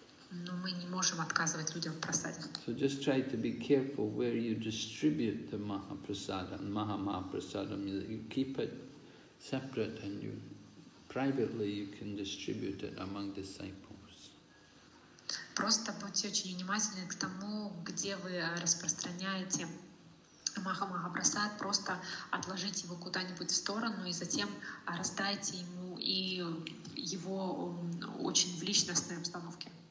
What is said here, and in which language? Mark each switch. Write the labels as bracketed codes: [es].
[ru] Но мы не можем отказывать людям в прасаде. [en] So just try to be careful where you distribute the Mahamahaprasadam. You keep it separate and you privately you can distribute it among disciples. [ru] Просто будьте очень внимательны к тому, где вы распространяете Махамахапрасад, просто отложите его куда-нибудь в сторону и затем раздайте ему и его очень в личностной обстановке.